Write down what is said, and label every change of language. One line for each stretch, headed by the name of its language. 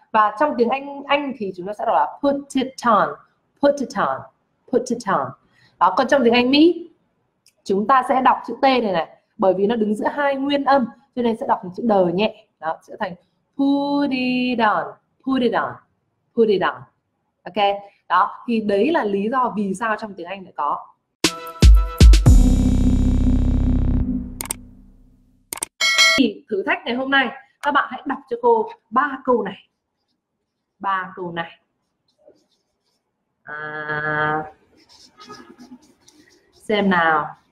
Vietnamese: Và trong tiếng Anh thì chúng ta sẽ đọc là
English: put it on, put it on, put it on.
Vietnamese: Đó, còn trong tiếng Anh Mỹ chúng ta sẽ đọc chữ T này này, bởi vì nó đứng giữa hai nguyên âm cho nên sẽ đọc một chữ đờ nhẹ. Đó, sẽ thành
English: put it on, put it on, put it on.
Vietnamese: Ok, đó, thì đấy là lý do vì sao trong tiếng Anh lại có. Thử thách ngày hôm nay, các bạn hãy đọc cho cô ba câu này. Ba câu này. À, xem nào.